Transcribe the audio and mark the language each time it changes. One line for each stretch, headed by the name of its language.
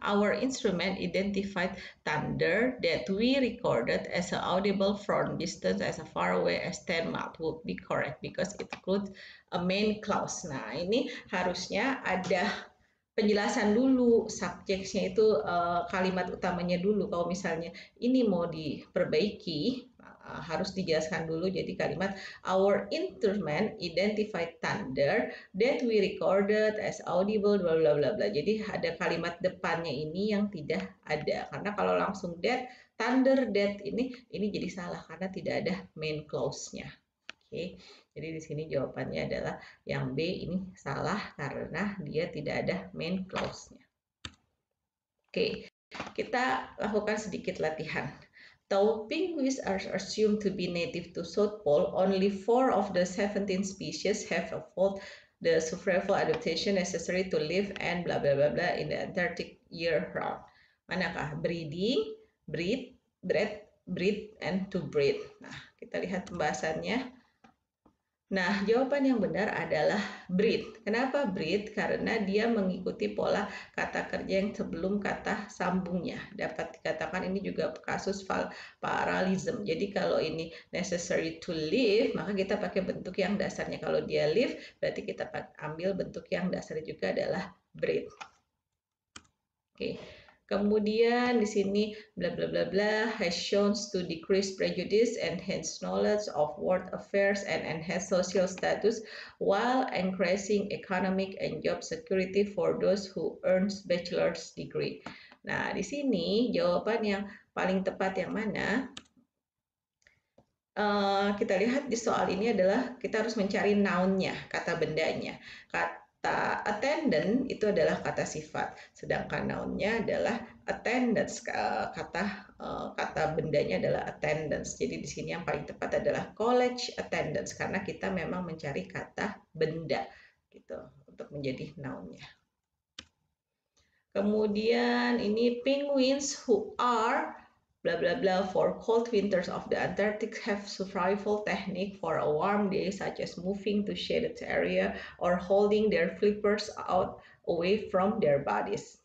English: Our instrument identified thunder that we recorded as an audible from distance as far away as 10 miles would be correct because it includes a main clause.
Indonesian: Nah, ini harusnya ada penjelasan dulu subjeknya itu kalimat utamanya dulu. Kalau misalnya ini mau diperbaiki, harus dijelaskan dulu. Jadi kalimat
English: our instrument identified thunder that we recorded as audible bla bla
Indonesian: bla bla. Jadi ada kalimat depannya ini yang tidak ada. Karena kalau langsung
English: that thunder that
Indonesian: ini jadi salah karena tidak ada main clause-nya. Oke. Jadi di sini jawabannya adalah yang B ini salah karena dia tidak ada main clause-nya. Oke. Kita lakukan sedikit latihan.
English: Though penguins are assumed to be native to South Pole, only 4 of the 17 species have evolved the survival adaptation necessary to live and blah blah blah blah in the Antarctic year round.
Indonesian: Manakah breeding, breed, bred, breed, and to breed? Nah, kita lihat pembahasannya. Nah, jawaban yang benar adalah breed. Kenapa breed? Karena dia mengikuti pola kata kerja yang sebelum kata sambungnya. Dapat dikatakan ini juga kasus paralism. Jadi kalau ini
English: necessary to live,
Indonesian: maka kita pakai bentuk yang dasarnya. Kalau dia live, berarti kita ambil bentuk yang dasarnya juga adalah breed. Oke. Kemudian di sini
English: bla bla bla bla has shown to decrease prejudice and enhance knowledge of world affairs and enhance social status while increasing economic and job security for those who earn bachelor's degree.
Indonesian: Nah, di sini jawaban yang paling tepat yang mana? Kita lihat di soal ini adalah kita harus mencari noun-nya, kata bendanya. Kata attendant itu adalah kata sifat, sedangkan noun-nya adalah attendance, kata bendanya adalah attendance. Jadi di sini yang paling tepat adalah college attendance karena kita memang mencari kata benda gitu untuk menjadi noun-nya. Kemudian ini
English: penguins who are blah blah blah for cold winters of the Antarctic have survival technique for a warm day such as moving to shaded area or holding their flippers out away from their bodies.